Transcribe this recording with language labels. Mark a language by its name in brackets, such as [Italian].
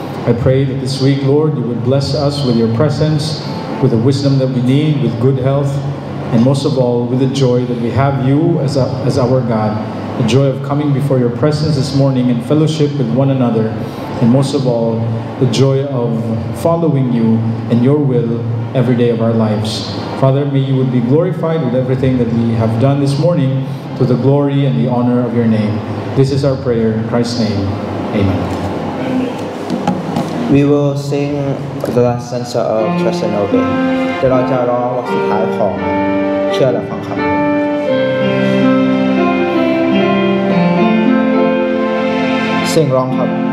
[English] I pray that this week Lord you would bless us with your presence with the wisdom that we need with good health and most of all with the joy that we have you as our God the joy of coming before your presence this morning in fellowship with one another and most of all the joy of following you and your will every day of our lives Father, may you would be glorified with everything that we have done this morning to the glory and the honor of your name. This is our prayer in Christ's name. Amen. We will sing the last stanza of Trust and Obey. [Thai] เราจะร้องบทสุดท้ายของเชื่อและฟังคำสิ่งร้องครับ